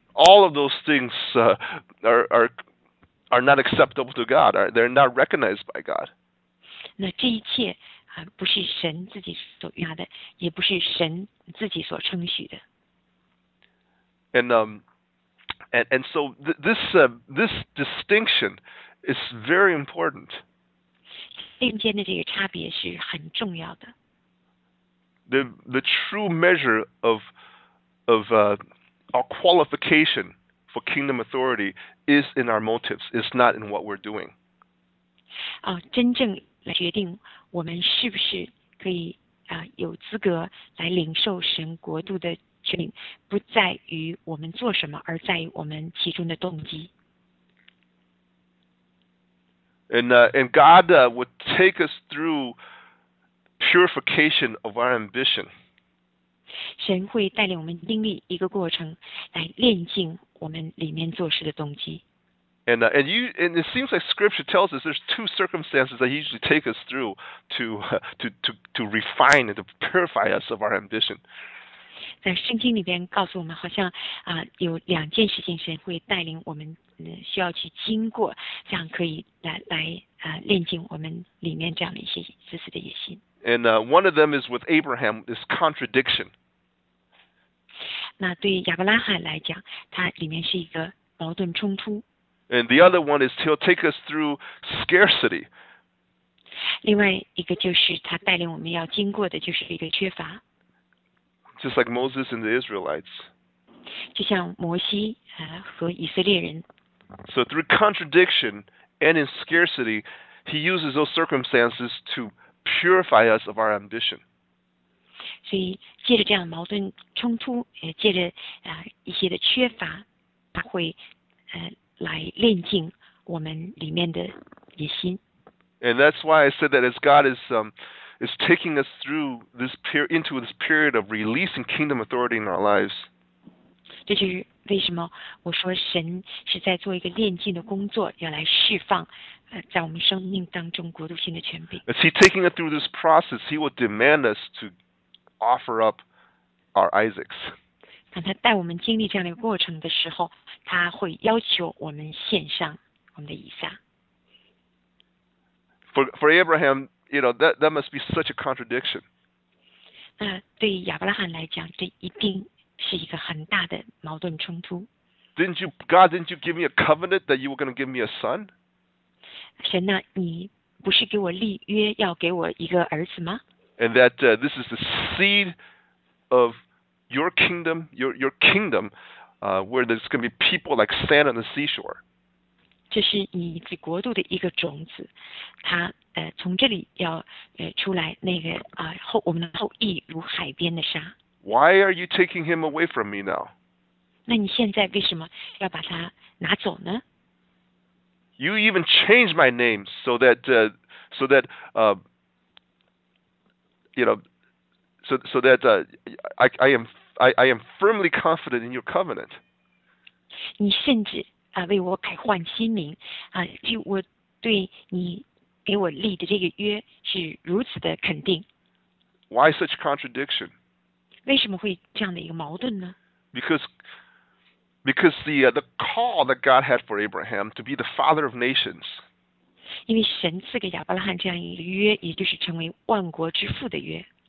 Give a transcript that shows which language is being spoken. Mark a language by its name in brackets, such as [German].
[English] All of those things are not acceptable to God. They're not recognized by God. [Chinese] 那这一切不是神自己所愿的，也不是神自己所称许的。 [English] And so this distinction is very important. [Chinese] 中间的这个差别是很重要的。 [English] The true measure of our qualification for kingdom authority is in our motives. It's not in what we're doing. [Chinese] 真正来决定我们是不是可以有资格来领受神国度的。不在于我们做什么，而在于我们其中的动机。 [English] And God would take us through purification of our ambition. [Chinese] 神会带领我们经历一个过程，来炼净我们里面做事的动机。 [English] And it seems like Scripture tells us there's two circumstances that usually take us through to refine and to purify us of our ambition. [Chinese] 在圣经里边告诉我们，好像有两件事情神会带领我们需要去经过，这样可以来炼净我们里面这样的一些自私的野心。 [English] And one of them is with Abraham, this contradiction. [Chinese] 那对亚伯拉罕来讲，它里面是一个矛盾冲突。 [English] And the other one is he'll take us through scarcity. [Chinese] 另外一个就是他带领我们要经过的就是一个缺乏。 [English] Just like Moses and the Israelites. [Chinese] 就像摩西和以色列人。 [English] So through contradiction and in scarcity, he uses those circumstances to purify us of our ambition. [Chinese] 所以借着这样的矛盾冲突，借着一些的缺乏，他会来炼净我们里面的野心。 [English] And that's why I said that as God is taking us through this period into this period of releasing kingdom authority in our lives. [Chinese] 这就是为什么我说神是在做一个炼净的工作，要来释放在我们生命当中国度性的权柄。 [English] As he taking us through this process, he will demand us to offer up our Isaacs. [Chinese] 当他带我们经历这样的一个过程的时候，他会要求我们献上我们的以撒。 [English] For Abraham. You know, that must be such a contradiction. [Chinese] 对亚伯拉罕来讲，这一定是一个很大的矛盾冲突。 [English] Didn't you give me a covenant that you were going to give me a son? [Chinese] 神呐，你不是给我立约要给我一个儿子吗？ [English] And that this is the seed of your kingdom, your kingdom, where there's going to be people like sand on the seashore. [Chinese] 这是你自国度的一个种子，它从这里要出来，那个我们的后裔如海边的沙。 [English] Why are you taking him away from me now? [Chinese] 那你现在为什么要把他拿走呢？ [English] You even changed my name so that I am firmly confident in your covenant. [Chinese] 你甚至为我改换心名就我对你给我立的这个约是如此的肯定。 [English] Why such contradiction? [Chinese] 为什么会这样的一个矛盾呢？ [English] Because the call that God had for Abraham to be the father of nations. [Chinese] 因为神赐给亚伯拉罕这样一个约，也就是成为万国之父的约。